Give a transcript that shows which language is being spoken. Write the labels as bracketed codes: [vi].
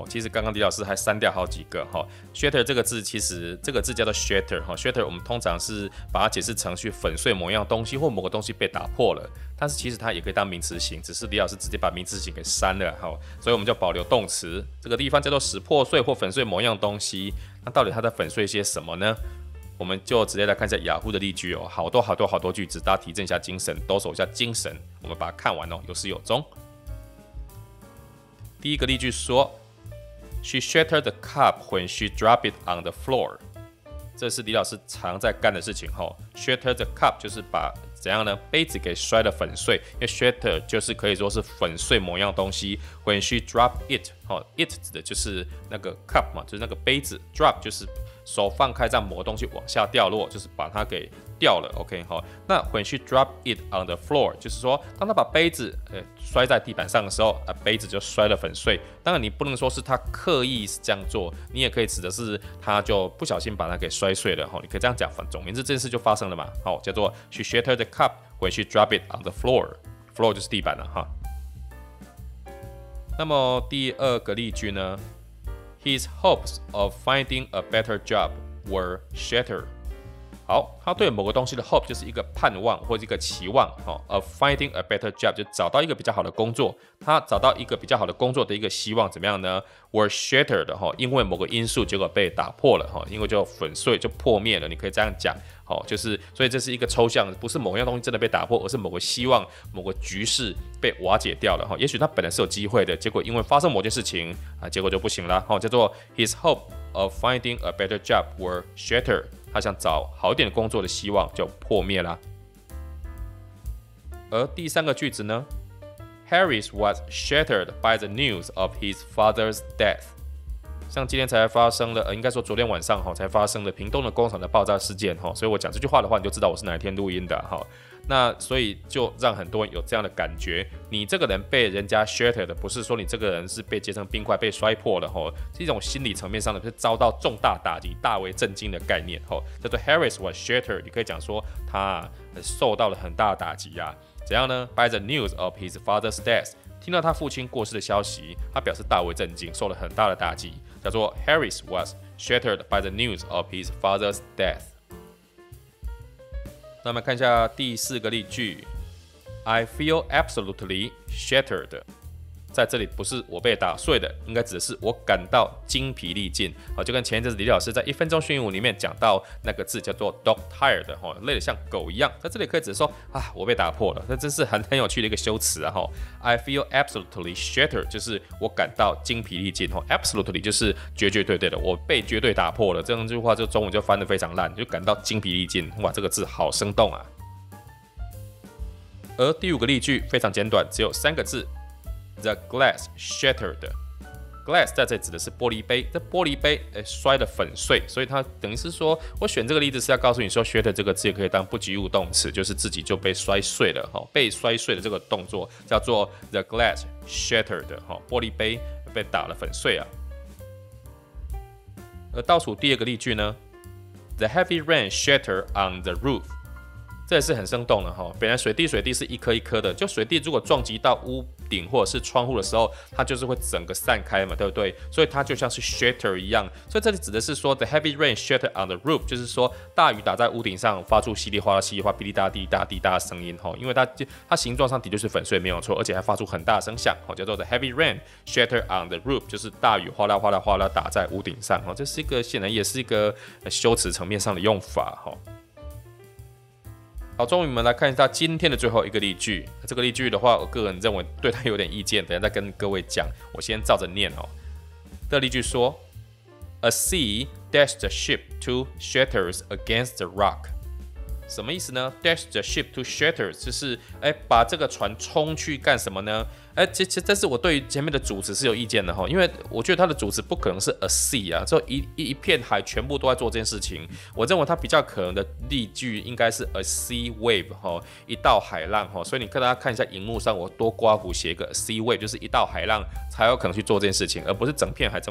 [zh] 其实刚刚李老师还删掉好几个。Shatter 这个字，其实这个字叫做 Shatter， Shatter 我们通常是把它解释成去粉碎某样东西或某个东西被打破了，但是其实它也可以当名词型，只是李老师直接把名词型给删了，所以我们就保留动词。这个地方叫做使破碎或粉碎某样东西，那到底它在粉碎些什么呢？我们就直接来看一下雅虎的例句哦，好多好多好多句子，大家提振一下精神，抖擞一下精神，我们把它看完哦，有始有终。第一个例句说 [en] ，She shattered the cup when she dropped it on the floor。 [zh] 这是李老师常在干的事情哦 ， [en] shattered the cup [zh] 就是把怎样呢？杯子给摔得粉碎，因为 shatter 就是可以说是粉碎某样东西。 [en] When she dropped it， [zh] it 指的就是那个 cup 嘛，就是那个杯子 ，drop 就是。手放开，让某个东西往下掉落，就是把它给掉了。OK， 好。那 [en] when she dropped it on the floor， [zh] 就是说，当他把杯子摔在地板上的时候，杯子就摔了粉碎。当然，你不能说是他刻意这样做，你也可以指的是他就不小心把它给摔碎了。你可以这样讲，总言之，这件事就发生了嘛。好，叫做 [en] she shattered the cup when she dropped it on the floor。 [zh] floor 就是地板了哈。那么第二个例句呢？ [en] His hopes of finding a better job were shattered。 [zh] 好，他对某个东西的 hope 就是一个盼望或者一个期望， [en] of finding a better job [zh] 就找到一个比较好的工作，他找到一个比较好的工作的一个希望怎么样呢？ [en] were shattered， [zh] 因为某个因素结果被打破了，因为就粉碎就破灭了，你可以这样讲，就是所以这是一个抽象，不是某样东西真的被打破，而是某个希望某个局势被瓦解掉了，也许他本来是有机会的，结果因为发生某件事情，结果就不行了，叫做 [en] His hope of finding a better job were shattered， [zh] 他想找好一点工作的希望就破灭了。而第三个句子呢， [en] Harris was shattered by the news of his father's death。 [zh] 像今天才发生了，应该说昨天晚上才发生了屏东的工厂的爆炸事件，所以我讲这句话的话，你就知道我是哪一天录音的。那所以就让很多人有这样的感觉，你这个人被人家 shattered， 不是说你这个人是被结成冰块被摔破了，是一种心理层面上的，是遭到重大打击大为震惊的概念，叫做 [en] Harris was shattered， [zh] 你可以讲说他受到了很大的打击啊。怎样呢？ [en] By the news of his father's death， [zh] 听到他父亲过世的消息，他表示大为震惊，受了很大的打击，叫做 [en] Harris was shattered by the news of his father's death. [zh] 那么看一下第四个例句 [en] I feel absolutely shattered. [zh] 在这里不是我被打碎的，应该指的是我感到精疲力尽。就跟前一阵子李老师在一分钟训练舞里面讲到那个字叫做 [en] dog tired， [zh] 累得像狗一样。在这里可以指说啊，我被打破了，那真是很有趣的一个修辞啊。 [en] I feel absolutely shattered， [zh] 就是我感到精疲力尽。 Absolutely 就是绝绝对对的，我被绝对打破了。这样句话就中文就翻得非常烂，就感到精疲力尽。哇，这个字好生动啊。而第五个例句非常简短，只有三个字。 [en] The glass shattered. [zh] Glass 在这指的是玻璃杯，这玻璃杯摔得粉碎，所以它等于是说，我选这个例子是要告诉你说 ，shatter 这个字也可以当不及物动词，就是自己就被摔碎了哈，被摔碎的这个动作叫做 [en] the glass shattered [zh] 哈，玻璃杯被打了粉碎啊。而倒数第二个例句呢 [en] ，The heavy rain shattered on the roof. [zh] 这也是很生动的哈，本来水滴是一颗一颗的，就水滴如果撞击到屋顶或者是窗户的时候，它就是会整个散开嘛，对不对？所以它就像是 shatter 一样，所以这里指的是说 [en] the heavy rain shattered on the roof， [zh] 就是说大雨打在屋顶上，发出稀里哗啦、稀里哗啦、哔哩哒、滴哒、滴哒的声音哈，因为它形状上的确是粉碎没有错，而且还发出很大的声响哈，叫做 the heavy rain shattered on the roof， 就是大雨哗啦哗啦哗啦打在屋顶上哈，这是一个显然也是一个修辞层面上的用法哈。好，终于我们来看一下今天的最后一个例句。这个例句的话，我个人认为对他有点意见，等一下再跟各位讲。我先照着念哦。这个例句说 [en] ：“A sea dashed the ship to shatters against the rock。” [zh] 什么意思呢 ？ [en] Dash the ship to shatters [zh] 就是把这个船冲去干什么呢？其实但是我对于前面的主词是有意见的，因为我觉得它的主词不可能是 [en] a sea [zh] 啊，就 一片海全部都在做这件事情。我认为它比较可能的例句应该是 [en] a sea wave [zh] 一道海浪，所以你跟大家看一下荧幕上我多刮胡写一个 a sea wave， 就是一道海浪才有可能去做这件事情，而不是整片海。